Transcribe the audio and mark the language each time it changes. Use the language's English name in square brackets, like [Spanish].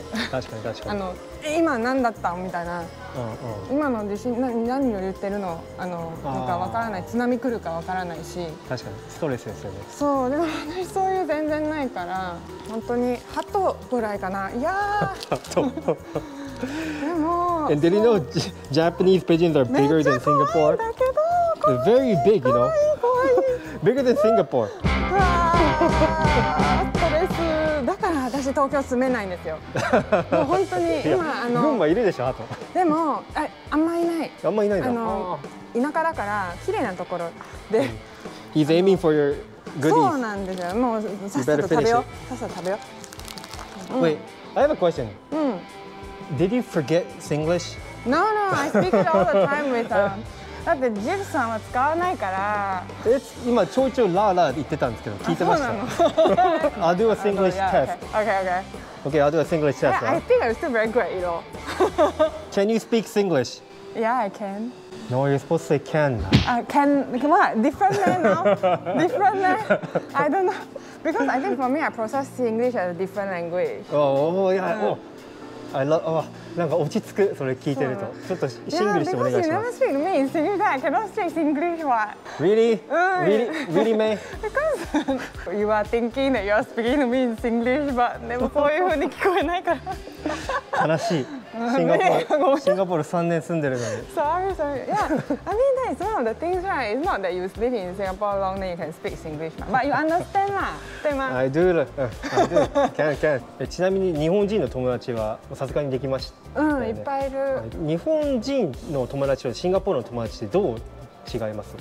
[Japanese] 確かに確かに。今何だったみたいな。うんうん、今の地震何を言ってるの、あのなんか分からない、津波来るか分からないし。確かにストレスですよね。そうでも私そういう全然ないから、本当にハトぐらいかな。いやでも、 [English] and did you know Japanese pigeons are bigger than Singapore? [Japanese] めっちゃ怖いんだけど。 [English] They're very big, you know. [Japanese] 怖い [English] bigger than Singapore. [Japanese] うわー、ストレス。だから私東京住めないんですよ。もう本当に今あの群馬いるでしょ、あと。でも あんまいない。あんまいないんだ。田舎だから綺麗なところで。 [English] He's aiming for your goodies. [Japanese] そうなんですよ。もうさっさと食べよ。さっさと食べよ。 [English] Wait, I have a question. Did you forget Singlish? No, no, I speak it all the time with them. [Japanese] だってジフさんは使わないから。え、今ちょいちょいラーラー言ってたんですけど、聞いてました。そうなの。 [English] I'll do a Singlish test. Okay, okay. Okay, I'll do a Singlish test. I think I'm still very great, you know. Can you speak Singlish? Yeah, I can. No, you're supposed to say can. Can, what? Different now? Different now? I don't know. Because I think for me, I process English as a different language. Oh, yeah. I love, oh, [Japanese] なんか落ち着く、それ聞いてると。ちょっとシングリッシュお願いします。 [English] Yeah, because you never speak me in Singapore. I cannot speak English. Really? Because you are thinking that you are speaking me in Singlish, but never [Japanese] そういう風に聞こえないから。悲しい。シンガポール3年住んでるのに。 [English] Sorry, sorry. Yeah, I mean, that's one of the things, right? It's not that you live in Singapore long, then you can speak English. But you understand, ma? I do. Can. [Japanese] ちなみに日本人の友達はさすがにできました。うん、いっぱいいる。日本人の友達とシンガポールの友達ってどう違います？